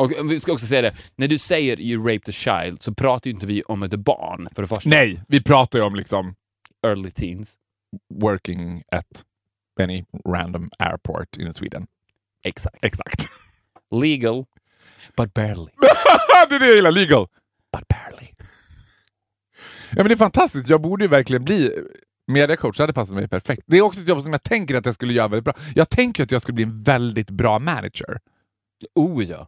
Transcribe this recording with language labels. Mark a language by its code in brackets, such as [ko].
[sv] vi ska också säga det, när du säger [en] you raped a child [sv] så pratar ju inte vi om ett barn för det första. Nej, vi pratar ju om liksom [en] early teens working at any random airport in Sweden. Exakt. Legal, but barely. [sv] Det är det jag gillar, legal, [en] but barely. [sv] Ja, men det är fantastiskt, jag borde ju verkligen bli mediacoach, det hade passat mig perfekt. Det är också ett jobb som jag tänker att jag skulle göra väldigt bra. Jag tänker att jag skulle bli en väldigt bra manager. Oh, ja.